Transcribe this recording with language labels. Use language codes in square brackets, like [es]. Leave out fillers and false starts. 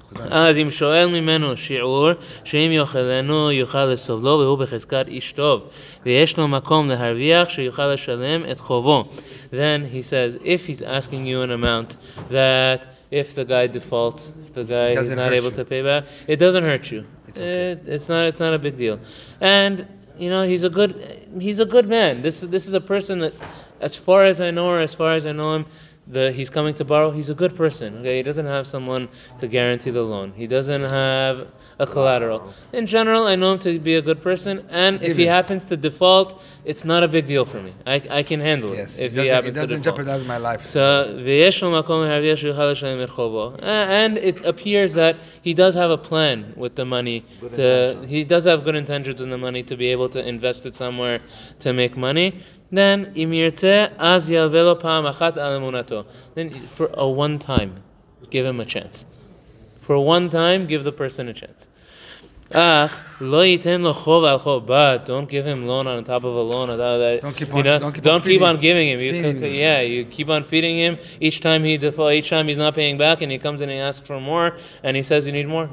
[he] אז אם שואל ממנו שיעור שאם יאכלנו יוכל לסובלו והוא בחזקת איש טוב ויש לו מקום להרוויח שיוכל לשלם את חובו. [en] Then he says, if he's asking you an amount that if the guy defaults, if the guy is not able to pay back, it doesn't hurt you. It's not a big deal, and you know, he's a good man. This is a person that, as far as I know him, he's coming to borrow, he's a good person. Okay, he doesn't have someone to guarantee the loan. He doesn't have a collateral. In general, I know him to be a good person, and if he happens to default, it's not a big deal for me. I can handle it. It doesn't jeopardize my life. So, and it appears that he does have a plan with the money. He does have good intentions with the money to be able to invest it somewhere to make money. [he] Then, אם ירצה, אז ילווה לו פעם אחת על אמונתו. [en] Then, for a one time, give him a chance. For one time, give the person a chance. [he] אך, לא ייתן לו חוב על חוב, [en] but don't give him loan on top of a loan. Don't keep on giving him. You keep on feeding him. Each time he defaults, each time he's not paying back, and he comes in and he asks for more, and he says you need more?